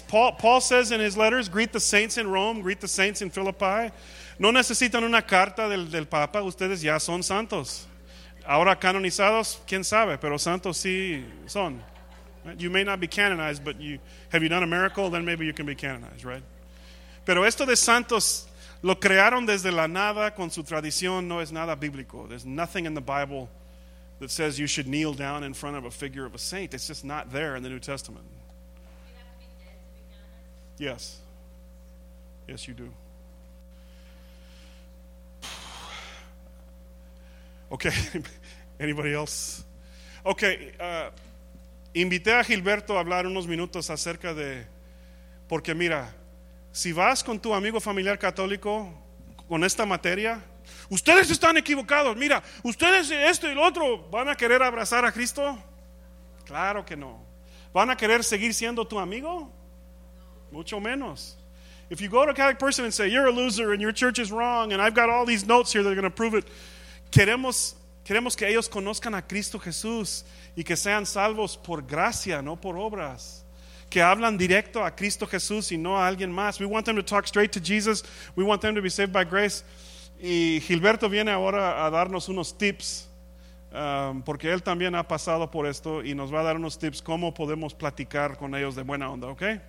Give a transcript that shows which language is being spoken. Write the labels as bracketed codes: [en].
[en] Paul says in his letters, greet the saints in Rome, greet the saints in Philippi. [es] No necesitan una carta del Papa. Ustedes ya son santos. Ahora canonizados, quién sabe, pero santos sí son. [en] You may not be canonized, but you have you done a miracle? Then maybe you can be canonized, right? [es] Pero esto de santos lo crearon desde la nada con su tradición. No es nada bíblico. [en] There's nothing in the Bible that says you should kneel down in front of a figure of a saint. It's just not there in the New Testament. You have to be dead to be canonized. Yes. Yes, you do. Okay. Anybody else? Okay. [es] Invité a Gilberto a hablar unos minutos acerca de... Porque mira, si vas con tu amigo familiar católico con esta materia... Ustedes están equivocados. Mira, ustedes esto y lo otro, ¿van a querer abrazar a Cristo? Claro que no. ¿Van a querer seguir siendo tu amigo? Mucho menos. [en] If you go to a Catholic person and say, you're a loser and your church is wrong and I've got all these notes here that are going to prove it. [es] Queremos que ellos conozcan a Cristo Jesús y que sean salvos por gracia, no por obras. Que hablan directo a Cristo Jesús y no a alguien más. [en] We want them to talk straight to Jesus. We want them to be saved by grace. [es] Y Gilberto viene ahora a darnos unos tips, porque él también ha pasado por esto y nos va a dar unos tips cómo podemos platicar con ellos de buena onda, ¿ok?